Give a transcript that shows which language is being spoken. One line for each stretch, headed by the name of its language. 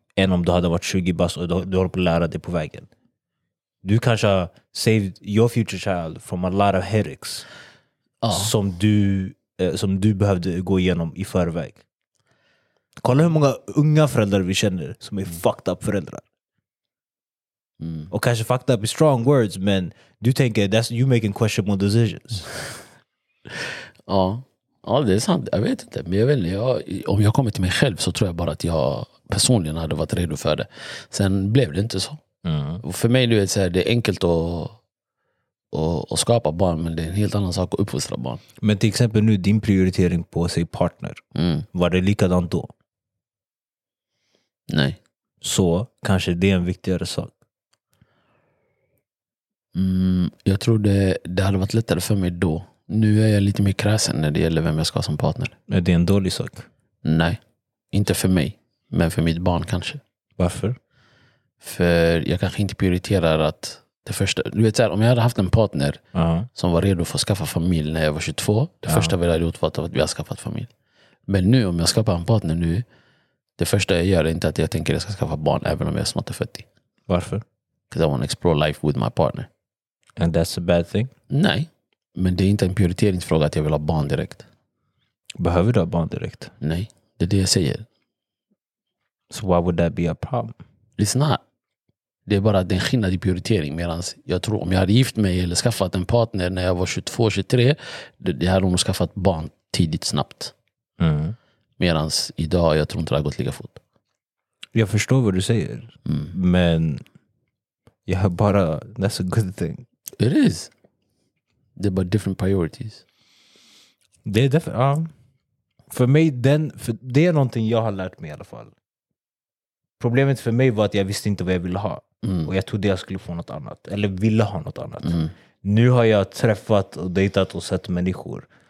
Swedish: Än om du hade varit 20 bas och du håller på att lära dig på vägen. Du kanske har
English: saved your future child from a lot of headaches.
Swedish: Ja. Som du behövde gå igenom i förväg. Kolla hur många unga föräldrar vi känner som är
English: fucked up
Swedish: föräldrar. Mm. Och kanske
English: fucked up is strong words,
Swedish: men du tänker
English: that's you making questionable decisions.
Swedish: Ja, det är sant. Jag vet inte. Men jag vet inte. Om jag kommer till mig själv så tror jag bara att jag personligen hade varit redo för det. Sen blev det inte så. Mm. För mig, du vet, så här, det är enkelt att skapa barn, men det är en helt annan sak att uppfostra barn. Men till exempel nu, din prioritering på sig partner. Mm. Var det likadant då? Nej. Så kanske det är en viktigare sak. Mm, jag tror det hade varit lättare för mig då. Nu är jag lite mer kräsen när det gäller vem jag ska ha som partner. Är det en dålig sak? Nej, inte för mig. Men för mitt barn kanske. Varför? För jag kanske inte prioriterar att det första... Du vet så här, om jag hade haft en partner som var redo för att skaffa familj när jag var 22. Det första vi hade gjort var att vi har skaffat familj. Men nu, om jag skapar en partner nu. Det första jag gör är inte att jag tänker att jag ska skaffa barn även om jag är snart 40. Varför?
English: Because I want to explore life with my partner. And that's a bad thing?
Swedish: Nej. Men det är inte en prioriteringsfråga att jag vill ha barn direkt. Behöver du ha barn direkt? Nej, det är det jag säger.
English: So why would that be a problem? It's not.
Swedish: Det är bara att det är en skillnad i prioritering. Medan jag tror om jag hade gift mig eller skaffat en partner när jag var 22-23. Det hade hon skaffat barn tidigt snabbt. Mm. Medan idag jag tror inte det har gått lika fort. Jag förstår vad du säger. Mm. Men jag har bara,
English: that's a good thing. It is. They're but different priorities.
Swedish: Det är för mig, för det är någonting jag har lärt mig i alla fall. Problemet för mig var att jag visste inte vad jag ville ha. Mm. Och jag trodde jag skulle få något annat. Eller ville ha något annat. Mm. Nu har jag träffat och dejtat och sett människor.